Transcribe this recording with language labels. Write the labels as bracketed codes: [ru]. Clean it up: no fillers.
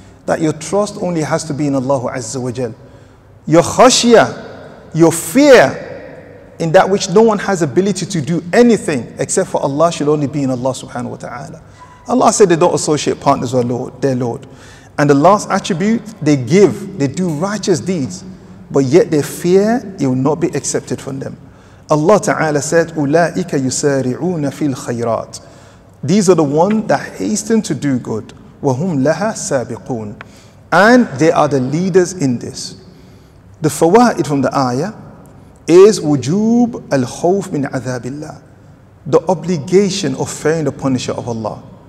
[en] That your trust only has to be in Allah Azza wa Jal. Your khashya, your fear, in that which no one has ability to do anything except for Allah should only be in Allah subhanahu wa ta'ala. Allah said they don't associate partners with their Lord. And the last attribute, they give, they do righteous deeds, but yet their fear, it will not be accepted from them. Allah Ta'ala said, [ar] أُولَٰئِكَ يُسَارِعُونَ فِي الْخَيْرَاتِ. [en] These are the ones that hasten to do good. [ar] وَهُمْ لَهَا سَابِقُونَ. [en] And they are the leaders in this. The fawaid from the ayah is [ar] wujub al-khawf min azabillah, [en] the obligation of fearing the punisher of Allah.